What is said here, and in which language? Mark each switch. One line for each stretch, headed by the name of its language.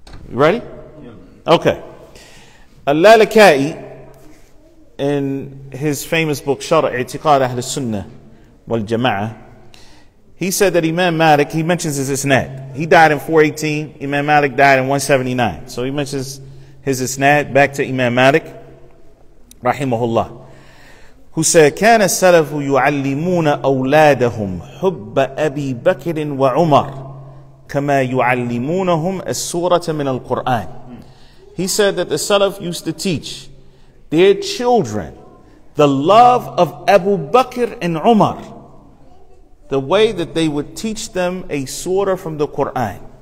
English: You ready? Yeah. Okay. Al-Lalakai, in his famous book, Shara' I'tiqad Ahl Sunnah wal Jama'ah, he said that Imam Malik, he mentions his isnad. He died in 418. Imam Malik died in 179. So he mentions his isnad back to Imam Malik, rahimahullah, who said,
Arabic: كان السلف يعلمون أولادهم حب أبي بكر وعمر كما يعلمونهم السورة من القرآن.
English: He said that the Salaf used to teach their children the love of Abu Bakr and Umar, the way that they would teach them a surah from the Quran.